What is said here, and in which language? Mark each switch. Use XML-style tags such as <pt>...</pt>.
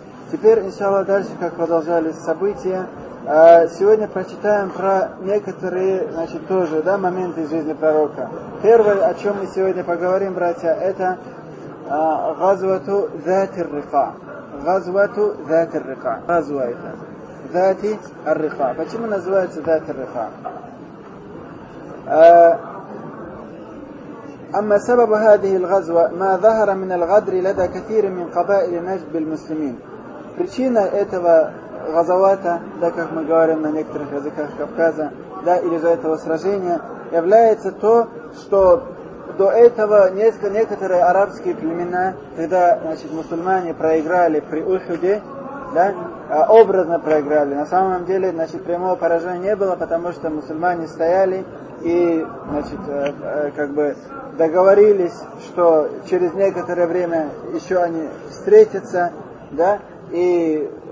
<ru>Теперь, иншаллах, дальше, как продолжались события. Сегодня прочитаем про некоторые, значит, тоже, да, моменты жизни пророка. Первое, о чем мы сегодня поговорим, братья, это газвату зат-ар-рика. Газвату зат-ар-рика. Газва это. Зат-ар-рика. Почему называется зат-ар-рика?</ru> <ar>أما سبب هذه الغزوة ما ظهر من الغدر لدى كثير من قبائل نجد بالمسلمين.</ar> <ru>Причина этого газовата, да, как мы говорим на некоторых языках Кавказа, да, или же этого сражения, является то, что до этого некоторые арабские племена, когда, значит, мусульмане проиграли при Ухуде, да, образно проиграли, на самом деле, значит, прямого поражения не было, потому что мусульмане стояли и, значит, как бы договорились, что через некоторое время еще они встретятся, да, и</ru>